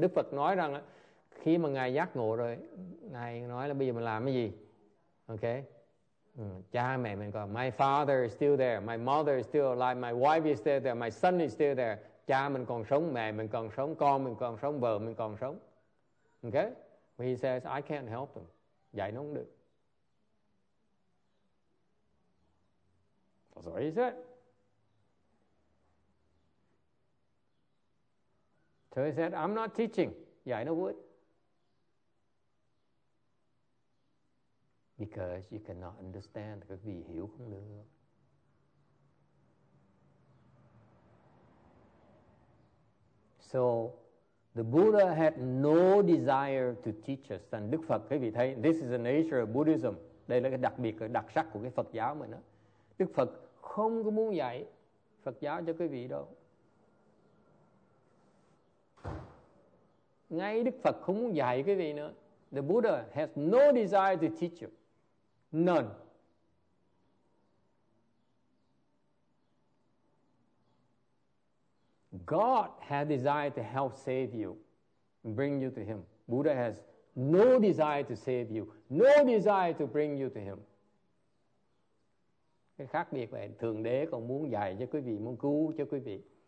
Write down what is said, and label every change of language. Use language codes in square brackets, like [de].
[vi] Đức Phật nói rằng, khi mà Ngài giác ngộ rồi, Ngài nói là bây giờ mình làm cái gì? [en] Okay. [vi] Cha mẹ mình còn, [en] my father is still there, my mother is still alive, my wife is still there, my son is still there. Cha mình còn sống, mẹ mình còn sống, con mình còn sống, vợ mình còn sống. Okay? But he says, I can't help them. [vi] Dạy nó không được. [en] That's what he said. So he said, I'm not teaching. [vi] Dạy nó [en] would. Because you cannot understand, [vi] các vị hiểu không được. [en] So, the Buddha had no desire to teach us. [vi] And Đức Phật, các vị thấy, [en] this is the nature of Buddhism. [vi] Đây là cái đặc biệt, cái đặc sắc của cái Phật giáo mình đó. Đức Phật không có muốn dạy Phật giáo cho quý vị đâu. Ngay Đức Phật không muốn dạy quý vị nữa. [en] The Buddha has no desire to teach you. None. God has desire to help save you, bring you to Him. Buddha has no desire to save you, no desire to bring you to Him. [vi] Cái khác biệt là Thượng Đế còn muốn dạy cho quý vị, muốn cứu cho quý vị.